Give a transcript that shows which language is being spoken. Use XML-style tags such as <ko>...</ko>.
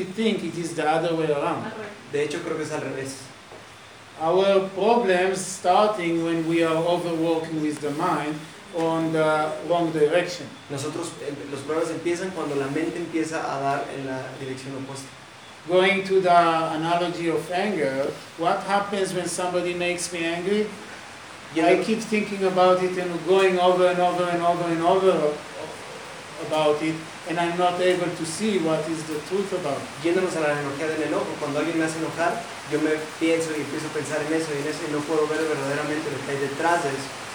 <en>I actually think it is the other way around.</en> <es>De hecho, creo que es al revés.</es> <en>Our problems starting when we are overworking with the mind on the wrong direction.</en> <es>Nosotros, los problemas empiezan cuando la mente empieza a dar en la dirección opuesta.</es> <en>Going to the analogy of anger, what happens when somebody makes me angry? Yeah, I keep thinking about it and going over and over and over and over about it, and I'm not able to see what is the truth about it.</en> <es>Yéndonos a la analogía del enojo, cuando alguien me hace enojar, yo me pienso y empiezo a pensar en eso y en eso y no puedo ver verdaderamente lo que hay detrás de eso.</es>